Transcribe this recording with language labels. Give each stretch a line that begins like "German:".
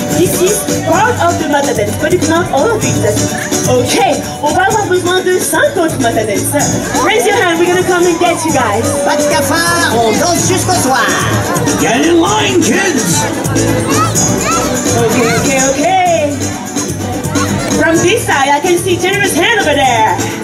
English: This is part of the Mata Dance, but it's not all of it.
French: Ok, on va avoir besoin de 5 autres Mata Dance.
English: Raise your hand, we're gonna come and get you guys.
French: Pas de cafard, on danse jusqu'au soir.
English: Get in line, kids. Ok, ok, ok. From this side, I can see Jennifer's hand over there.